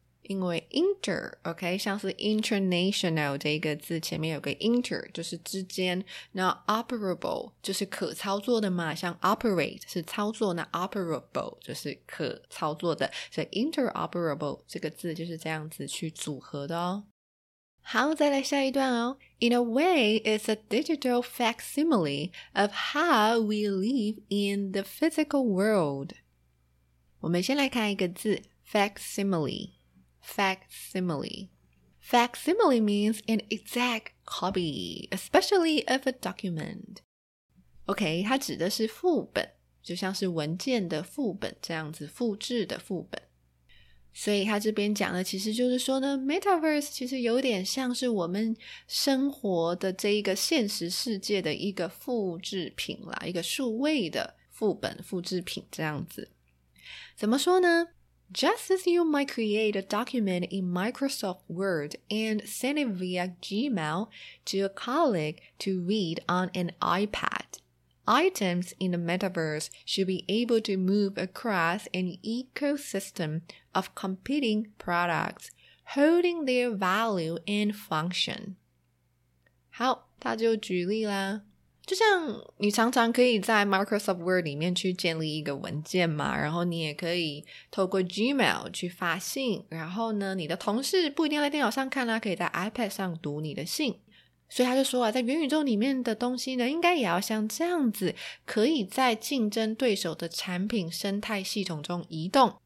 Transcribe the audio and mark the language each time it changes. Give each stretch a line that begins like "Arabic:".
Chinese: 因为 inter OK 像是 international 这个字前面有个 inter 就是之间，那 operable 就是可操作的嘛，像 operate 是操作，那 operable 就是可操作的，所以 interoperable 这个字就是这样子去组合的哦。好，再来下一段哦。
English: In a way, it's a digital facsimile of how we live in the physical world.
Chinese: 我们先来看一个字 facsimile.
English: Facsimile means an exact copy, especially of a document.
Chinese: OK, 它指的是副本，就像是文件的副本这样子，复制的副本。所以他这边讲的其实就是说呢， Metaverse 其实有点像是我们生活的这一个现实世界的一个复制品啦，一个数位的副本复制品这样子。怎么说呢？
English: Just as you might create a document in Microsoft Word and send it via Gmail to a colleague to read on an iPad, items in the Metaverse should be able to move across an ecosystemof competing products, holding their value and function.
Chinese: 好，他就举例啦。就像你常常可以在 Microsoft Word 里面去建立一个文件嘛，然后你也可以透过 Gmail 去发信，然后呢，你的同事不一定要在电脑上看啦，可以在 iPad 上读你的信。所以他就说啊，在元宇宙里面的东西呢，应该也要像这样子，可以在竞争对手的产品生态系统中移动。